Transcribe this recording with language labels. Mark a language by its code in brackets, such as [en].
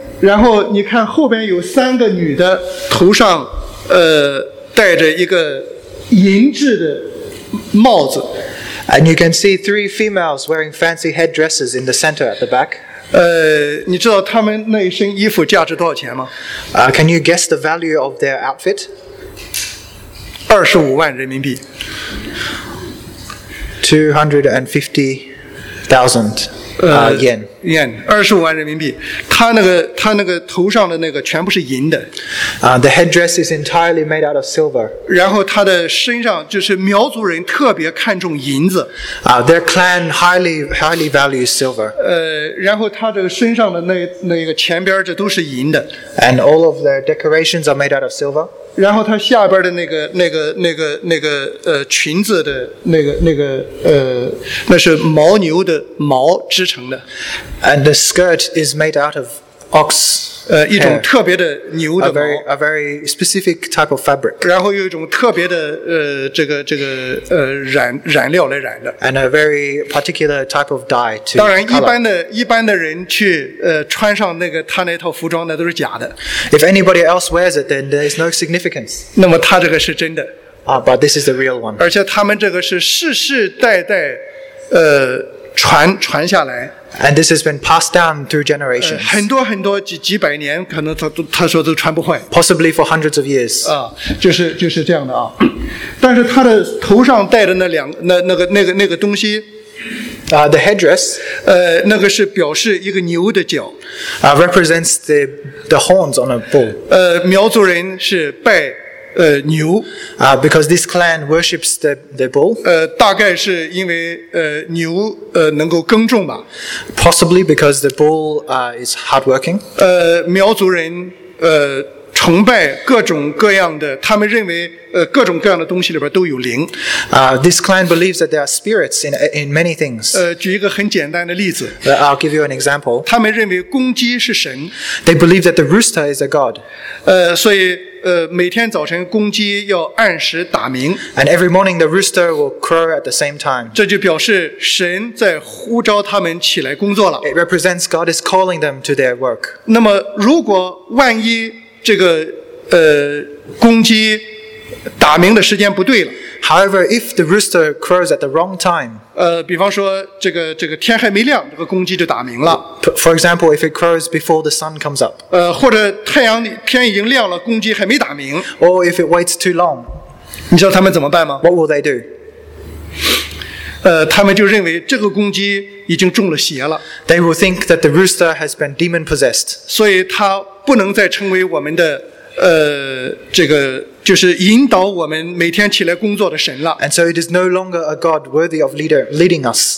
[zh] 然后你看后边有三个女的，头上戴着一个银质的帽子。 [en] And you can see three females wearing fancy headdresses in the center at the back. [zh] 你知道他们那身衣服价值多少钱吗？ [en] Can you guess the value of their outfit? [zh] 25万人民币。 [en] 250,000 yen. [zh] 25万人民币。他那个头上的那个全部是银的。 [en] The headdress is entirely made out of silver. [zh] 然后他的身上就是苗族人特别看重银子。 [en] Their clan highly values silver. [zh] 然后他这个身上的那个前边这都是银的。 [en] And all of their decorations are made out of silver. [zh] 然后他下边的那个裙子的那是牦牛的毛织成的。 [en] And the skirt is made out of ox hair, [zh] 一种特别的牛的毛。 [en] A very specific type of fabric. [zh] 然后有一种特别的这个染料来染的。 [en] And a very particular type of dye to color. [zh] 当然一般的人去穿上他那套服装那都是假的。 [en] If anybody else wears it, then there is no significance. [zh] 那么他这个是真的。 [en] But this is the real one. [zh] 而且他们这个是世世代代传下来。 [en] And this has been passed down through generations. [zh] 很多很多几百年，可能他说都穿不坏。 [en] Possibly for hundreds of years. [zh] 就是这样的啊。但是他的头上戴的那个东西。 [en] The headdress. [zh] 那个是表示一个牛的角。 [en] Represents the horns on a bull. [zh] 苗族人是拜。牛。 [en] Because this clan worships the bull. [zh] 大概是因为牛能够耕种吧。 [en] Possibly because the bull is hardworking. [zh] 苗族人崇拜各种各样的，他们认为各种各样的东西里边都有灵。 [en] This clan believes that there are spirits in many things. [zh] 举一个很简单的例子。 [en] I'll give you an example. [zh] 他们认为公鸡是神。 [en] They believe that the rooster is a god. [zh] 所以。每天早晨公鸡要按时打鸣。 [en] And every morning the rooster will crow at the same time. [zh] 这就表示神在呼召他们起来工作了。 [en] It represents God is calling them to their work. [zh] 那么如果万一这个公鸡打鸣的时间不对了。 [en] However, if the rooster crows at the wrong time, [zh] 比方说这个天还没亮，这个公鸡就打鸣了。 [en] For example, if it crows before the sun comes up, [zh] 或者天已经亮了，公鸡还没打鸣。 [en] Or if it waits too long, [zh] 你知道他们怎么办吗？ [en] What will they do? [zh] 他们就认为这个公鸡已经中了邪了。 [en] They will think that the rooster has been demon possessed. [zh] 所以它不能再成为我们的这个。就是引导我们每天起来工作的神了。 [en] And so it is no longer a god worthy of leading us.